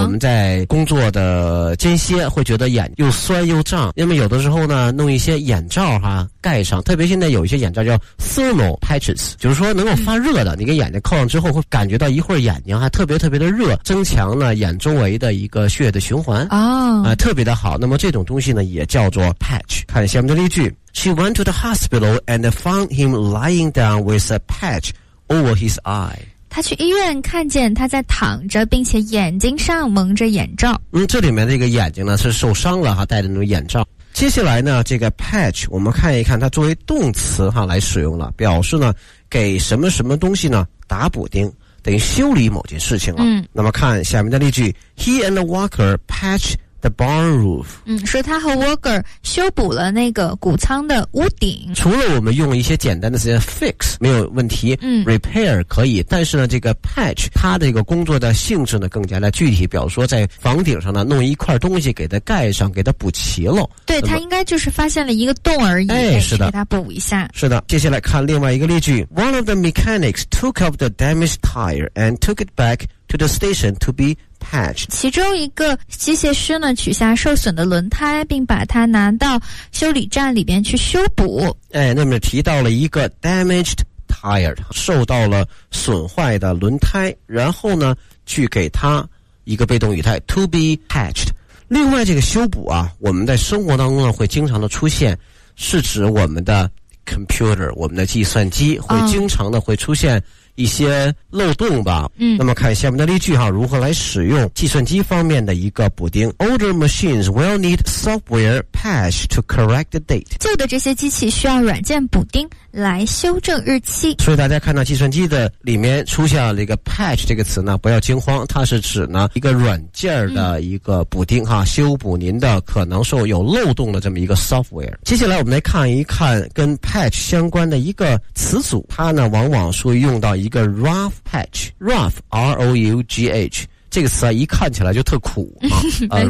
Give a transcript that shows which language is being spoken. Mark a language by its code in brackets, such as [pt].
[zh] 我们在工作的间歇会觉得眼又酸又胀，那么有的时候呢，弄一些眼罩哈盖上，特别现在有一些眼罩叫 [en] thermal patches， [zh] 就是说能够发热的，你给眼睛扣上之后会感觉到一会儿眼睛还特别特别的热，增强呢眼周围的一个血液的循环特别的好。那么这种东西呢也叫做 patch。看下面的例句 [en] She went to the hospital and found him lying down with a patch over his eye， [zh] 她去医院看见他在躺着并且眼睛上蒙着眼罩。这里面这个眼睛呢是受伤了哈，戴着那种眼罩。接下来呢这个 patch 我们看一看它作为动词哈来使用了，表示呢给什么什么东西呢打补丁，等于修理某件事情了。那么看下面的例句 [en] He and Walker patchThe barn roof， [zh] 说他和 Walker 修补了那个谷仓的屋顶。除了我们用一些简单的词 fix 没有问题，repair 可以，但是呢，这个 patch 它的一个工作的性质呢更加的具体，比方说在房顶上呢弄一块东西给它盖上，给它补齐了。对，他应该就是发现了一个洞而已，是的，给它补一下。是的，接下来看另外一个例句 [en] ：One of the mechanics took off the damaged tire and took it back to the station to be。 [zh] 其中一个机械师呢取下受损的轮胎并把它拿到修理站里边去修补。那么提到了一个 [en] damaged tire， [zh] 受到了损坏的轮胎，然后呢去给它一个被动语态 [en] to be patched。 [zh] 另外这个修补啊，我们在生活当中呢会经常的出现，是指我们的 computer， 我们的计算机会经常的会出现一些漏洞吧。嗯，那么看下面的例句哈，如何来使用计算机方面的一个补丁。 [en] Older machines will need software patch to correct the date. [zh] 旧的这些机器需要软件补丁来修正日期。所以大家看到计算机的里面出现了一个 patch 这个词呢，不要惊慌，它是指呢一个软件的一个补丁哈，修补您的可能说有漏洞的这么一个 software。接下来我们来看一看跟 patch 相关的一个词组，它呢往往是用到一个 rough patch， rough R-O-U-G-H 这个词啊，一看起来就特苦啊。